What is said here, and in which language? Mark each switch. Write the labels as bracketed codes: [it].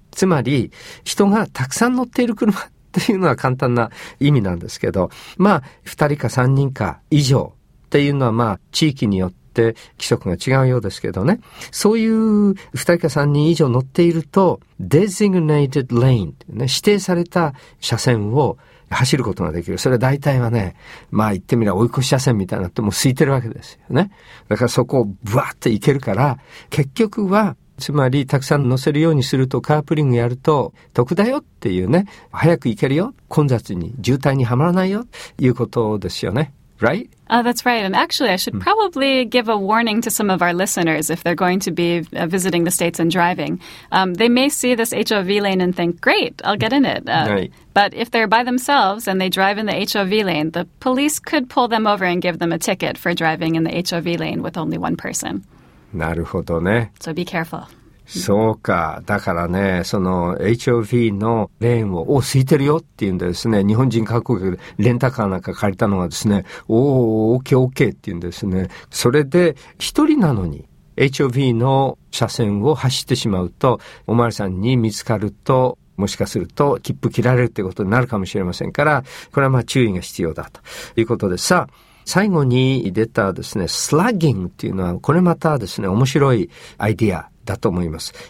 [ja] つまり、人がたくさん乗っている車っていうのは簡単な意味なんですけど、まあ、2人か3人か以上っていうのはまあ、地域によって規則が違うようですけどねそういう2人か3人以上乗っているとデジグネイテッドレイン、ね、指定された車線を走ることができるそれは大体はねまあ言ってみれば追い越し車線みたいになってもう空いてるわけですよねだからそこをブワーって行けるから結局はつまりたくさん乗せるようにするとカープリングやると得だよっていうね早く行けるよ混雑に渋滞にはまらないよということですよね [en] right? That's right. And actually, I should probably give a warning to some of our listeners if they're going to be visiting the States and driving. They may see this HOV lane and think, great, I'll get in it. Right. But if they're by themselves and they drive in the HOV lane, the police could pull them over and give them a ticket for driving in the HOV lane with only one person. [ja] なるほどね。 [en] So be careful. [ja] そうか。だからね、その HOV のレーンを、お、空いてるよっていうんでですね、日本人観光客でレンタカーなんか借りたのがですね、おー、OK、OK っていうんですね。それで、一人なのに HOV の車線を走ってしまうと、お巡りさんに見つかると、もしかすると切符切られるってことになるかもしれませんから、これはまあ注意が必要だということで、さあ、最後に出たですね、スラッギングっていうのは、これまたですね、面白いアイディアだと思います。